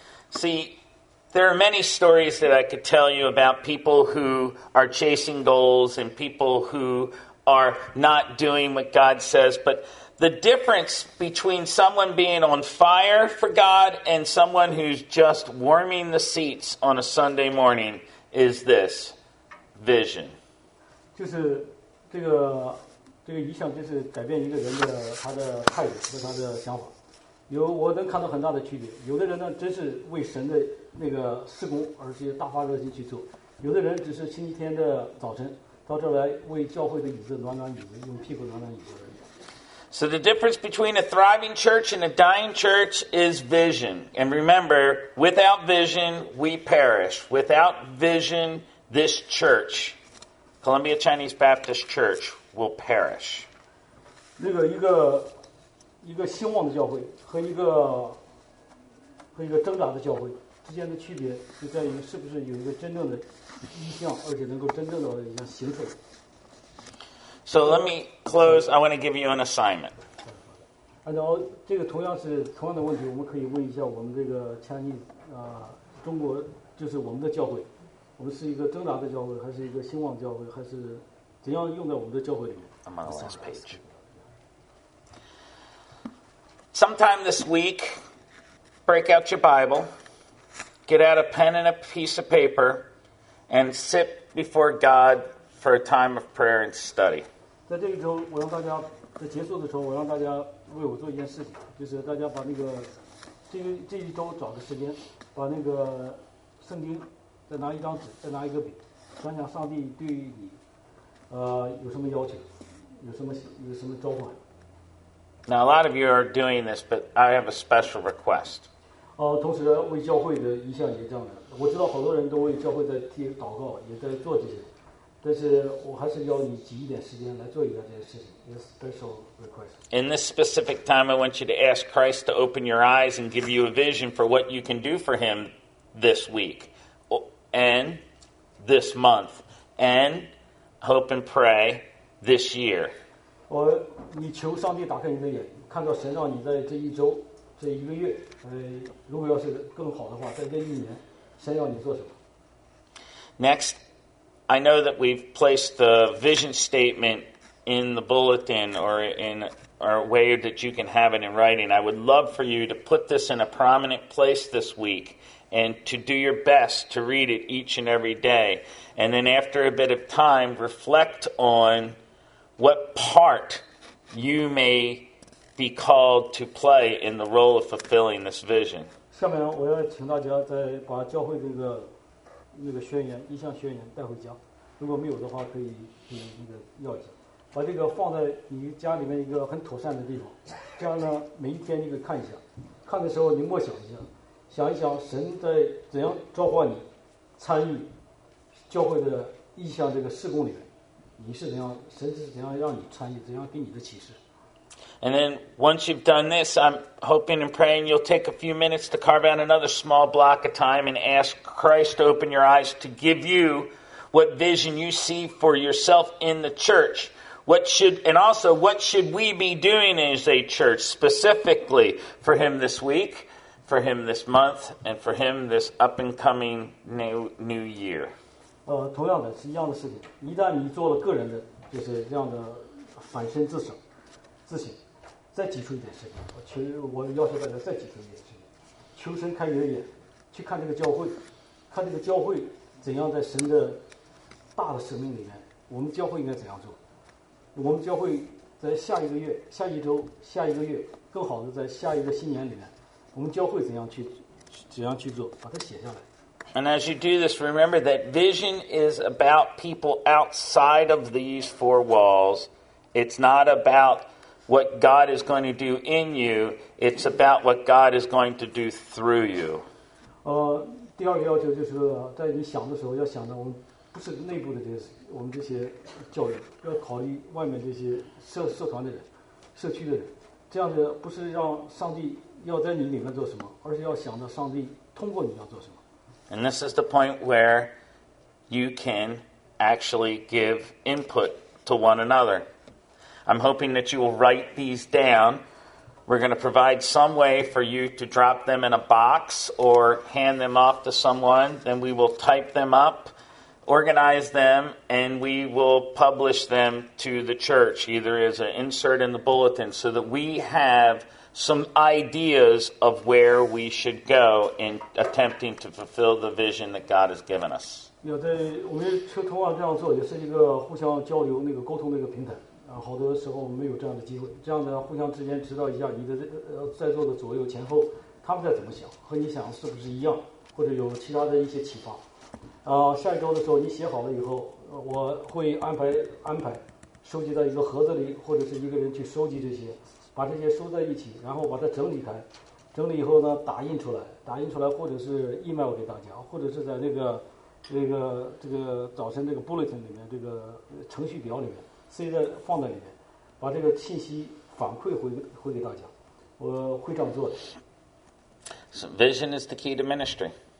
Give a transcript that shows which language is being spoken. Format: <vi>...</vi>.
<en>See, there are many stories that I could tell you about people who are chasing goals and people who are not doing what God says, but the difference between someone being on fire for God and someone who's just warming the seats on a Sunday morning is this vision.</en> <zh>就是这个意象，就是改变一个人的他的态度和他的想法。有我能看到很大的区别。有的人呢，真是为神的那个事工而且大发热心去做；有的人只是星期天的早晨到这来为教会的椅子暖暖椅子，用屁股暖暖椅子。</zh> <en>So the difference between a thriving church and a dying church is vision. And remember, without vision, we perish. Without vision, this church, Columbia Chinese Baptist Church, will perish.</en> <zh>那个一个兴旺的教会和一个挣扎的教会之间的区别就在于是不是有一个真正的意向，而且能够真正的行出来。</zh> <en>So let me close. I want to give you an assignment.</en> <zh>按照这个同样的问题，我们可以问一下我们这个 Chinese 中国就是我们的教会，我们是一个挣扎的教会，还是一个兴旺教会，还是怎样用在我们的教会里面</zh> <en>？I'm on the last page. Sometime this week, break out your Bible, get out a pen and a piece of paper, and sit before God for a time of prayer and study.</en> <zh>在这一周，我让大家在结束的时候，我让大家为我做一件事情，就是大家把那个这一周找个时间，把那个圣经再拿一张纸，再拿一个笔，想想上帝对于你有什么要求，有什么召唤。</zh> <en>Now a lot of you are doing this, but I have a special request.</en> <zh>同时为教会的一项也这样的，我知道好多人都为教会在替祷告，也在做这些。但是我还是要你挤一点时间来做一下这件事情 ，</zh> <en>a special request. In this specific time, I want you to ask Christ to open your eyes and give you a vision for what you can do for Him this week, and this month, and hope and pray this year.</en> <zh>你求上帝打开你的眼，看到神让你在这一周、这一个月，如果要是更好的话，在这一年，神要你做什么</zh> <en>？Next, I know that we've placed the vision statement in the bulletin or in a way that you can have it in writing. I would love for you to put this in a prominent place this week. And to do your best to read it each and every day. And then after a bit of time, reflect on what part you may be called to play in the role of fulfilling this vision.</en> <zh>下面我要请大家再把教会这个那个宣言一项宣言带回家，如果没有的话可以请那个药剂，把这个放在你家里面一个很妥善的地方，这样呢每一天你可以看一下，看的时候你默想一下，想一想神在怎样召唤你参与教会的意向这个事工里面，你是怎样，神是怎样让你参与，怎样给你的启示。</zh> <en>And then once you've done this, I'm hoping and praying you'll take a few minutes to carve out another small block of time and ask Christ to open your eyes to give you what vision you see for yourself in the church. What should, and also what should we be doing as a church specifically for him this week? For him this month, and for him this up and coming new year.</en> <zh>同样的是一样的事情。一旦你做了个人的，就是这样的反身自省、自省，再挤出一点时间。我要求大家再挤出一点时间，求神开你的眼，去看这个教会，看这个教会怎样在神的大的使命里面，我们教会应该怎样做？我们教会在下一个月、下一周、下一个月，更好的在下一个新年里面。我们教会怎样去做，把它写下来。</zh> <en>And as you do this, remember that vision is about people outside of these four walls. It's not about what God is going to do in you. It's about what God is going to do through you.</en> <zh>第二个要求就是在你想的时候要想着我们不是内部的这些我们这些教友，要考虑外面这些社团的人、社区的人，这样子不是让上帝。要在你里面做什么，而是要想着上帝通过你要做什么。</zh> <en>And this is the point where you can actually give input to one another. I'm hoping that you will write these down. We're going to provide some way for you to drop them in a box or hand them off to someone. Then we will type them up, organize them, and we will publish them to the church, either as an insert in the bulletin, so that we have... some ideas of where we should go in attempting to fulfill the vision that God has given us.</en> <zh>有的我们车通话这样做也是一个互相交流那个沟通那个平台，好多时候我们没有这样的机会，这样的互相之间知道一下你的在座的左右前后他们在怎么想，和你想是不是一样，或者有其他的一些启发。下一周的时候你写好了以后，我会安排收集到一个盒子里，或者是一个人去收集这些，把这些收在一起，然后把它整理开，整理以后呢，打印出来，或者是 email 给大家，或者是在这个早晨这个 bulletin 里面，这个程序表里面放在里面，把这个信息反馈回给大家，我会这样做的。</zh> <en>So vision is the key to ministry.</en>